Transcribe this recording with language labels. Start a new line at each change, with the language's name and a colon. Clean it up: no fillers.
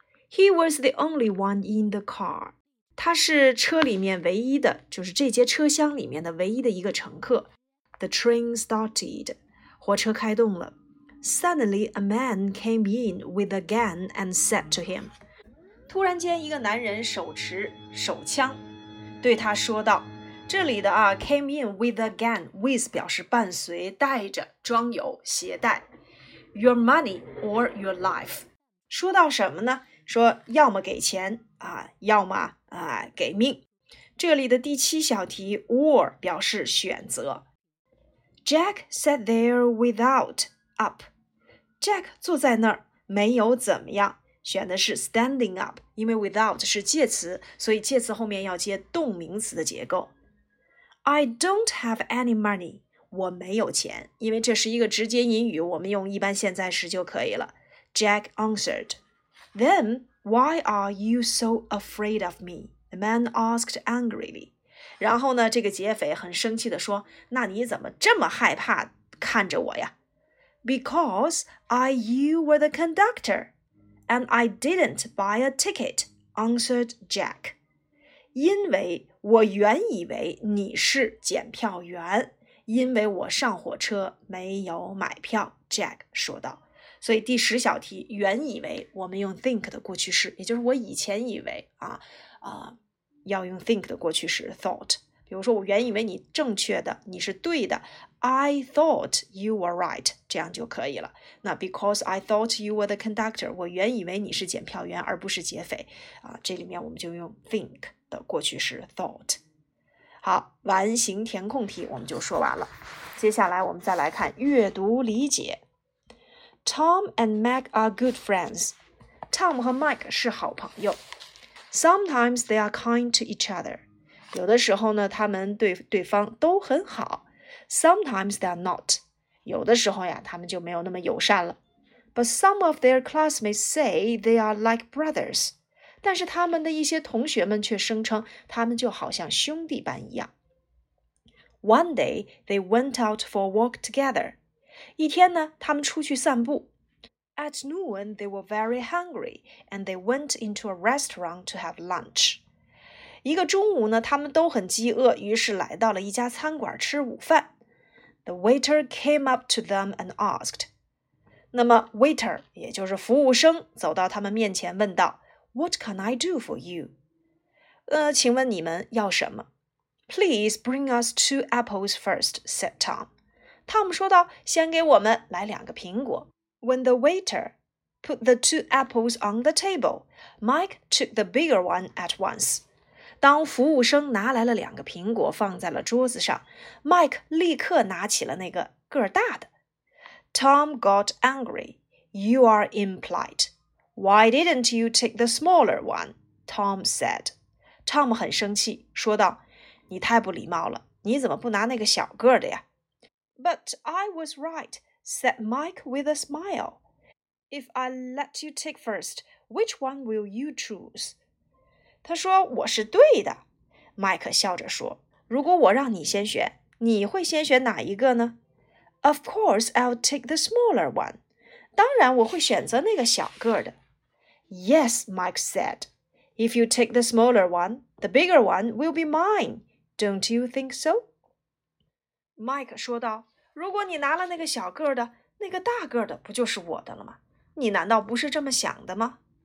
English: He was the only one in the car.
Chinese: 他是车里面唯一的，就是这节车厢里面的唯一的一个乘客。
English: The train started.
Chinese: 火车开动了。
English: Suddenly, a man came in with a gun and said to him.
Chinese: 突然间一个男人手持手枪对他说道，这里的啊
English: came in with a gun, with
Chinese: 表示伴随，带着，装有，携带。
English: Your money or your life.
Chinese: 说到什么呢？说要么给钱啊，要么啊给命。这里的第七小题 or 表示选择。
English: Jack sat there without up.
Chinese: Jack 坐在那儿，没有怎么样，选的是
English: standing up,
Chinese: 因为 without 是介词，所以介词后面要接动名词的结构。
English: I don't have any money.
Chinese: 我没有钱，因为这是一个直接引语，我们用一般现在时就可以了。
English: Jack answered. Then, why are you so afraid of me? The man asked angrily.
Chinese: 然后呢，这个劫匪很生气地说，那你怎么这么害怕看着我呀？
English: Because you were the conductor, and I didn't buy a ticket, answered Jack.
Chinese: 因为我原以为你是检票员，因为我上火车没有买票， Jack 说道。所以第十小题，原以为，我们用 think 的过去式，也就是我以前以为啊啊。要用 think 的过去式 thought, 比如说我原以为你正确的，你是对的，
English: I thought you were right,
Chinese: 这样就可以了。那
English: because I thought you were the conductor,
Chinese: 我原以为你是检票员而不是劫匪啊，这里面我们就用 think 的过去式 thought。好，完形填空题我们就说完了，接下来我们再来看阅读理解。
English: Tom and Mac are good friends. Tom
Chinese: 和 Mike 是好朋友。
English: Sometimes they are kind to each other.
Chinese: 有的时候呢，他们对对方都很好。
English: Sometimes they are not.
Chinese: 有的时候呀，他们就没有那么友善了。
English: But some of their classmates say they are like brothers.
Chinese: 但是他们的一些同学们却声称他们就好像兄弟般一样。
English: One day, they went out for a walk together.
Chinese: 一天呢，他们出去散步。
English: At noon, they were very hungry, and they went into a restaurant to have lunch.
Chinese: 一个中午呢，他们都很饥饿，于是来到了一家餐馆吃午饭。
English: The waiter came up to them and asked.
Chinese: 那么 waiter, 也就是服务生，走到他们面前问道，
English: What can I do for you?
Chinese: 请问你们要什么？
English: Please bring us two apples first, said Tom.
Chinese: Tom 说道，先给我们来两个苹果。
English: When the waiter put the two apples on the table, Mike took the bigger one at once.
Chinese: 当服务生拿来了两个苹果放在了桌子上， Mike 立刻拿起了那个个儿大的。
English: Tom got angry. You are impolite. Why didn't you take the smaller one? Tom said.
Chinese: Tom 很生气，说道：你太不礼貌了，你怎么不拿那个小个的呀？
English: But I was right, said Mike with a smile. If I let you take first, which one will you choose?
Chinese: 他说我是对的。 Mike 笑着说，如果我让你先选，你会先选哪一个呢？
English: Of course, I'll take the smaller one.
Chinese: 当然我会选择那个小个的。
English: Yes, Mike said. If you take the smaller one, the bigger one will be mine. Don't you think so?
Chinese: Mike 说道，如果你拿了那个小个的，那个大个的不就是我的了吗？你难道不是这么想的吗？